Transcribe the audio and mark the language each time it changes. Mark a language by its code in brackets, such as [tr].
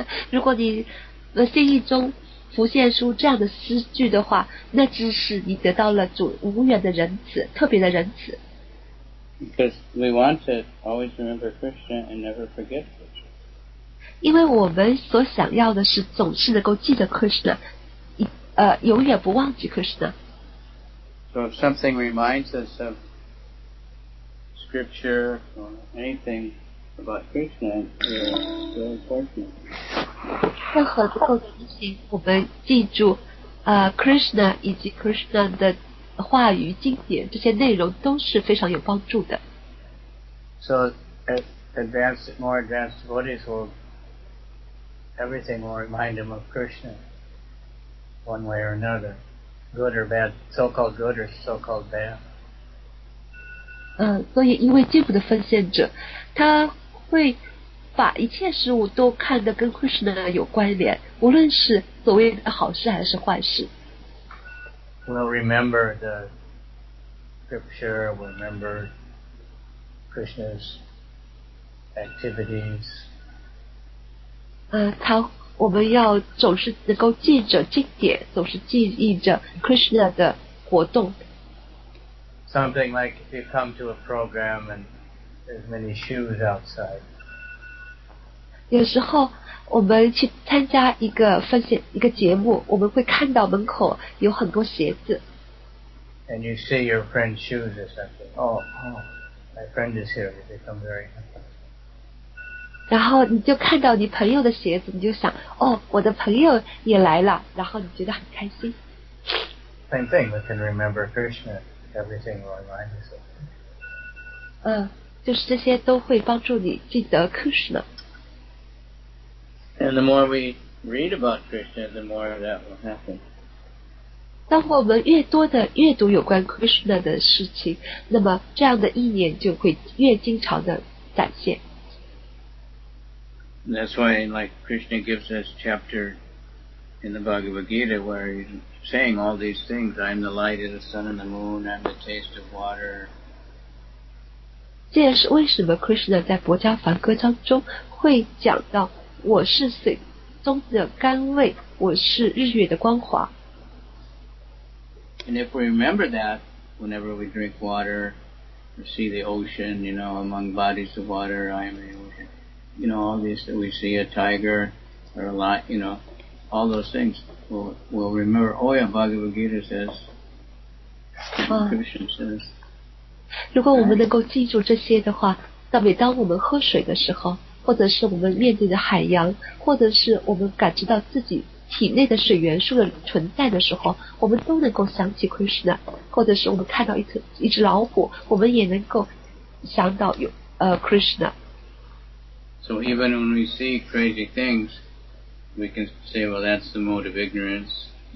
[zh] 如果你的心意中浮现出这样的诗句的话，那只是你得到了主无缘的仁慈，特别的仁慈。 [en] Because we want to always remember Krishna and never forget Krishna. [zh] 因为我们所想要的是总是能够记得 Krishna， 永远不忘记 Krishna。 [en] So if something reminds us of scripture or anything. [zh] 任何能够提醒我们记住Krishna 以及 Krishna 的话语经典，这些内容都是非常有帮助的。 [en] So advanced, more advanced devotees will everything will remind them of Krishna one way or another, good or bad, so called good or so called bad. [zh] 所以因为进步的奉献者他会把一切事物都看得跟 Krishna 有关联，无论是所谓的好事还是坏事。 [en] We'll remember the scripture, we'll remember Krishna's activities. [zh] 我们要总是能够记着经典，总是记忆着 Krishna 的活动。 [en] Something like if you come to a program and there's many shoes outside. [zh] 有时候我们去参加一个分享一个节目，我们会看到门口有很多鞋子。 [en] And you see your friend's shoes or something. My friend is here. They become very happy. [zh] 然后你就看到你朋友的鞋子，你就想，哦，我的朋友也来了，然后你觉得很开心。 [en] Same thing. We can remember Krishna. Everything will remind us of. [zh] 就是这些都会帮助你记得 Krishna。 [en] And the more we read about Krishna, the more that will happen. [zh] 当我们越多的阅读有关 Krishna 的事情，那么这样的意念就会越经常的展现。 [en] That's why, like, Krishna gives us chapter in the Bhagavad Gita where he's saying all these things. I'm the light of the sun and the moon. I'm the taste of water. [zh] 这也是为什么 Krishna 在《薄伽梵歌》当中会讲到我是水中的甘味，我是日月的光华。 [en] And if we remember that, whenever we drink water, we see the ocean, you know, among bodies of water, I am the ocean. You know, all these that we see, a tiger or a lion, you know, all those things, we'll remember. Oh yeah, Bhagavad Gita says, Krishna says. [zh] 如果我们能够记住这些的话，那每当我们喝水的时候，或者是我们面对的海洋，或者是我们感知到自己体内的水元素的存在的时候，我们都能够想起 Krishna， 或者是我们看到一只老虎，我们也能够想到Krishna。 [en] So even when we see crazy things, we can say, well, that's the mode of ignorance.